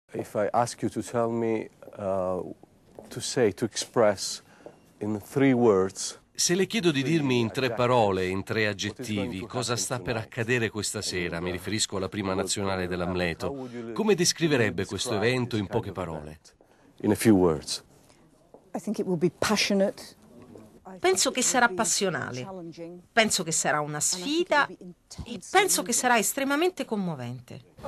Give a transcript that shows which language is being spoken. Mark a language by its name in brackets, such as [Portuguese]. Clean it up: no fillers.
[English] If I ask you to tell me, to say, to express in three words. [Italian] Se le chiedo di dirmi in tre parole, in tre aggettivi, cosa sta per accadere questa sera, mi riferisco alla prima nazionale dell'Amleto, come descriverebbe questo evento in poche parole? [English] In a few words. I think it will be passionate. [Italian] Penso che sarà passionale, penso che sarà una sfida e penso che sarà estremamente commovente.